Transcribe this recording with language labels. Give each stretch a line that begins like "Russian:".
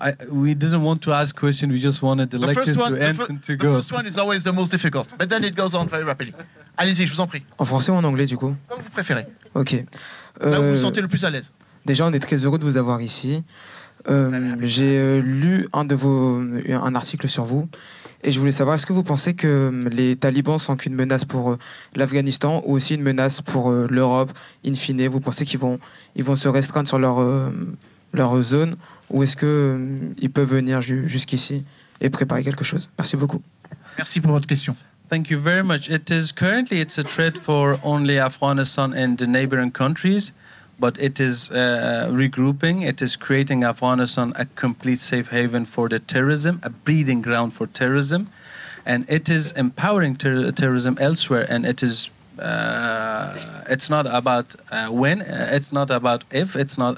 English: We didn't want to ask questions. We just wanted the lectures to end and to go. The first one is always the most difficult, but then it goes on very rapidly.
French: Allez-y, je vous en prie. En français ou en anglais, du coup? Comme vous préférez. Ok. Là où vous sentez le plus à l'aise. Déjà, on est très heureux de vous avoir ici. J'ai lu un article sur vous et je voulais savoir, est-ce que vous pensez que les talibans sont qu'une menace pour l'Afghanistan ou aussi une menace pour l'Europe, in fine? Vous pensez qu'ils vont se restreindre sur leur zone, ou est-ce qu'ils peuvent venir jusqu'ici et préparer quelque chose? Merci beaucoup. Merci pour votre question.
English: Thank you very much. It's currently a threat for only Afghanistan and the neighboring countries. But it is regrouping, it is creating Afghanistan a complete safe haven for the terrorism, a breeding ground for terrorism. And it is empowering terrorism elsewhere. And it is, it's not about when, it's not about if, it's not.